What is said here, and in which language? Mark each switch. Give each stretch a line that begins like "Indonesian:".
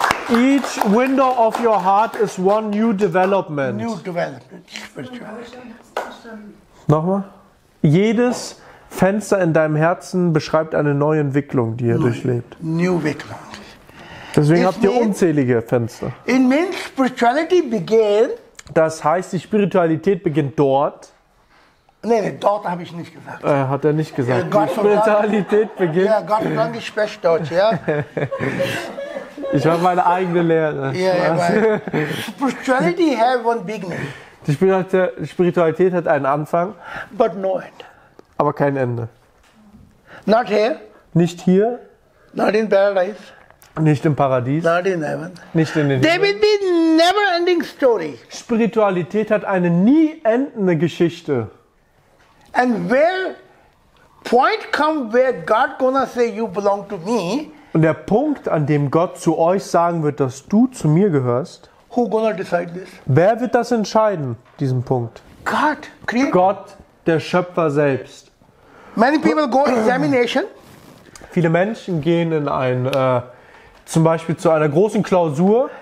English: Each window of your heart is one new development. New development.
German: Nochmal. Jedes Fenster in deinem Herzen beschreibt eine neue Entwicklung, die ihr durchlebt.
English: New
German: Entwicklung. Deswegen habt ihr unzählige Fenster.
English: It means spirituality began.
German: Das heißt, die Spiritualität beginnt dort. Nein, dort habe ich nicht gesagt. Hat er nicht gesagt. Die Spiritualität beginnt. Ja, Gott sei Dank, ich spreche Deutsch, ja. Ich habe meine eigene Lehre.
English: Spirituality has one beginning.
German: Die Spiritualität hat einen Anfang.
English: But no end.
German: Aber kein Ende.
English: Not here.
German: Nicht hier.
English: Not in paradise.
German: Nicht im Paradies.
English: Not in heaven.
German: Nicht in den
English: There will be never ending story.
German: Spiritualität hat eine nie endende Geschichte.
English: And where point come where God gonna say you belong to me?
German: Und der Punkt, an dem Gott zu euch sagen wird, dass du zu mir gehörst.
English: Who gonna decide this?
German: Wer wird das entscheiden, diesen Punkt?
English: God, Creator.
German: Gott, der Schöpfer selbst.
English: Many people go examination.
German: Viele Menschen gehen in ein, zum Beispiel zu einer großen Klausur.